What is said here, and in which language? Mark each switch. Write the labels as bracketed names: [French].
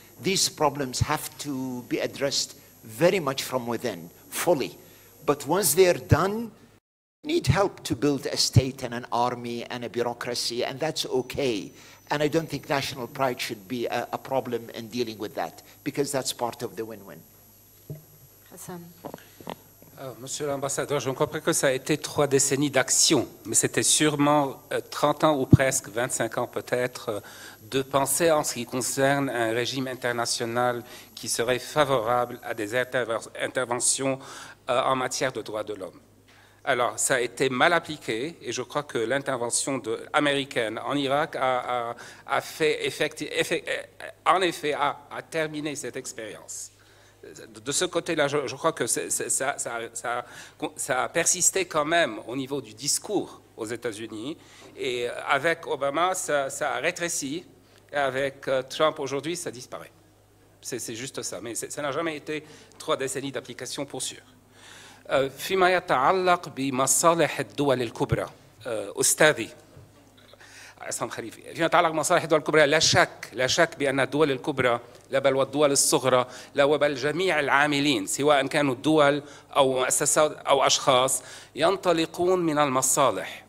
[English] These problems have to be addressed very much from within, fully. But once they're done, you need help to build a state and an army and a bureaucracy, and that's okay. And I don't think national pride should be a problem in dealing with that, because that's part of the win-win. Hassan. [French] Alors, Monsieur l'Ambassadeur, je comprends que ça a été 3 décennies d'action, mais c'était sûrement 30 ans ou presque, 25 ans peut-être, de penser en ce qui concerne un régime international qui serait favorable à des interventions en matière de droits de l'homme. Alors, ça a été mal appliqué, et je crois que l'intervention américaine en Irak a terminé cette expérience. De ce côté-là, je crois que ça a persisté quand même au niveau du discours aux États-Unis. Et avec Obama, ça a rétréci. Et avec Trump, aujourd'hui, ça disparaît. C'est juste ça. Mais ça n'a jamais été 3 décennies d'application, pour sûr. [Arabic] فيما يتعلق بمصالح الدول الكبرى. أستاذي عصام خليفي. فيما يتعلق بمصالح الدول الكبرى, لا شك بأن الدول الكبرى, لا بل والدول الصغرى, لا بل جميع العاملين, سواء كانوا دول أو مؤسسات أو أشخاص, ينطلقون من المصالح.